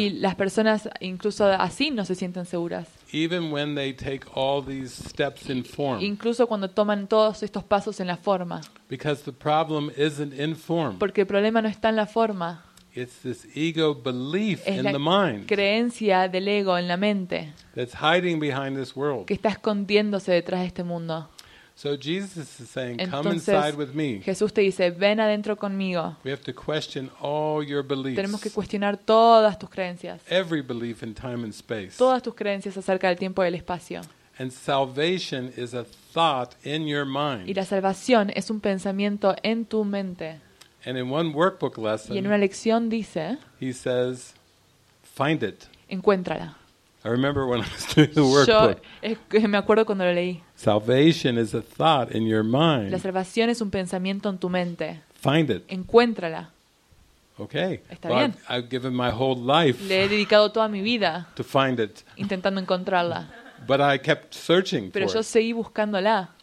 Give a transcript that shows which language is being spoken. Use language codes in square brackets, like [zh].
[es] Y las personas incluso así no se sienten seguras. [en] Even when they take all these steps in form. [es] Incluso cuando toman todos estos pasos en la forma. [en] Because the problem isn't in form. [es] Porque el problema no está en la forma. [en] It's this ego belief in the mind. [es] Es la creencia del ego en la mente. [en] That's hiding behind this world. [es] Que está escondiéndose detrás de este mundo. [en] So Jesus is saying, [es] Entonces, [en] "Come inside with me." [es] Jesús te dice, ven adentro conmigo. [en] We have to question all your beliefs. [es] Tenemos que cuestionar todas tus creencias. [en] Every belief in time and space. [es] Todas tus creencias acerca del tiempo y el espacio. [en] And salvation is a thought in your mind. [es] Y la salvación es un pensamiento en tu mente. [en] And in one workbook lesson. [es] Y en una lección dice. [en] He says, "Find it." [es] Encuéntrala. [en] I remember when I was doing the workbook. [es] Yo me acuerdo cuando lo leí. [en] Salvation is a thought in your mind. [es] La salvación es un pensamiento en tu mente. [en] Find it. [es] Encuéntrala. [en] Okay. [es] Está bien. [en] I've given my whole life. [es] Le he dedicado toda mi vida. [en] To find it. [es] Intentando encontrarla. [en] But I kept searching for it. [es] Pero yo seguí buscándola.